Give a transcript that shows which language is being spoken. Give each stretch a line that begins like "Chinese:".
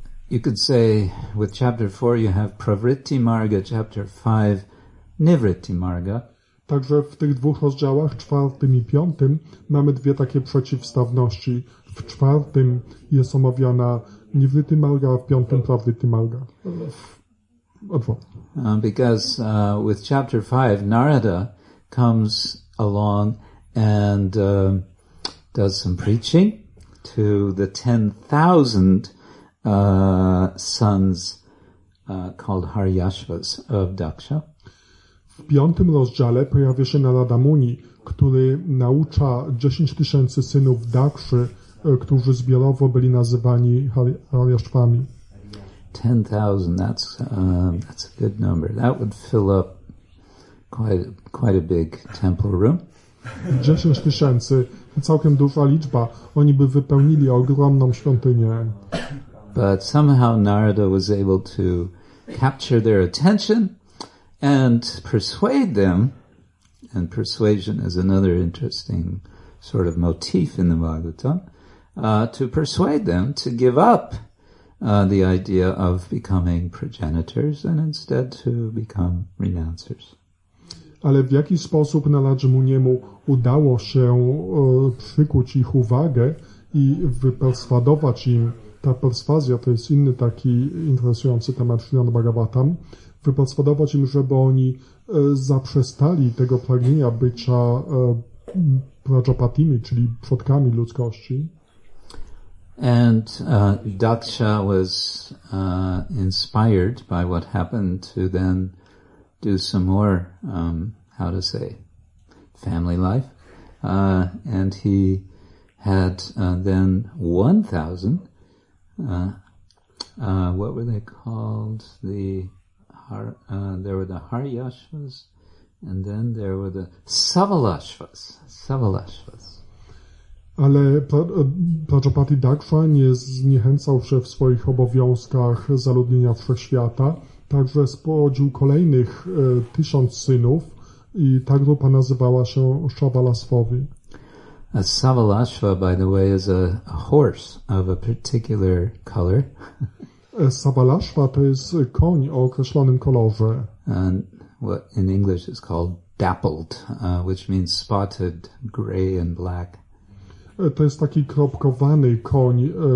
English: You could say, with chapter 4, you have Pravritti Marga, chapter 5, Nivritti Marga.
Polish: Także w tych dwóch rozdziałach, czwartym i piątym, mamy dwie takie przeciwstawności. W czwartym jest omawiana Nivritti Marga, a w piątym Pravritti Marga.
English: Because with chapter 5, Narada comes along and does some preaching to the 10,000 sons called Haryashvas of Daksha.
Polish: W piątym rozdziale pojawia się Narada Muni, który naucza 10 tysięcy synów Dakszy, którzy zbiorowo byli nazywani Haryashvami.
English: 10,000, that's a good number. That would fill up quite a big temple room.
Polish: 10 tysięcy, całkiem duża liczba. Oni by wypełnili ogromną świątynię.
English: But somehow Narada was able to capture their attention and persuade them. And persuasion is another interesting sort of motif in the Bhagavatam, to persuade them to give up the idea of becoming progenitors and instead to become renouncers.
Polish: Ale w jaki sposób Naladży Muniemu udało się przykuć ich uwagę i wyperswadować im, ta perswazja to jest inny taki interesujący temat Śrimad Bhagavatam, wyperswadować im, żeby oni zaprzestali tego pragnienia bycia prajapatimi, czyli przodkami ludzkości.
English: And Daksha was inspired by what happened to then do some more, how to say, family life. And he had then 1,000, what were they called? There were the Haryashvas, and then there were the Savalashvas.
Polish: Ale Prajapati Daksha nie zniechęcał się w swoich obowiązkach zaludnienia wszechświata, także spłodził kolejnych 1,000 synów i ta grupa nazywała się Savalashvami.
English: A Savalashva, by the way, is a horse of a particular color.
Polish: Savalashva to jest koń o określonym kolorze.
English: And what in English is called dappled, which means spotted, gray and black.
Polish: To jest taki kropkowany koń.